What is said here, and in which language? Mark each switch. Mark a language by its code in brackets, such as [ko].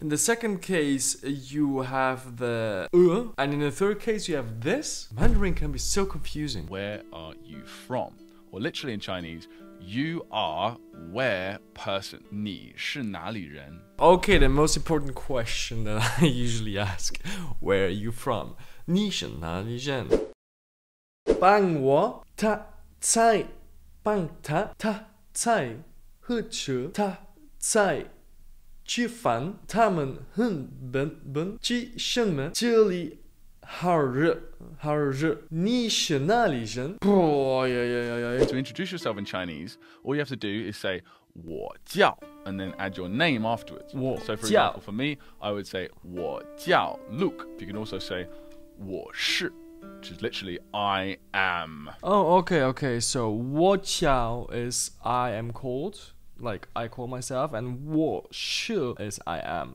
[en] In the second case, you have the and in the third case, you have this. Mandarin can be so confusing. Where are you from? Or literally in Chinese, you are where person. [zh] 你是哪里人? [en] Okay, the most important question that I usually ask. Where are you from? [zh] 你是哪里人? 帮我他在帮他他在喝车他在吃饭他们很笨笨吃什么这里好热好热你是哪里人 [en] To introduce yourself in Chinese, all you have to do is say [zh] 我叫 [en] and then add your name afterwards. [zh] 我 [en] So for example, for me, I would say [zh] 我叫 [en] Luke. You can also say [zh] 我是 [en] which is literally I am. Oh, okay, okay. So [zh] 我叫 [en] is I am called, like I call myself, and [zh] 我是 [en] is I am.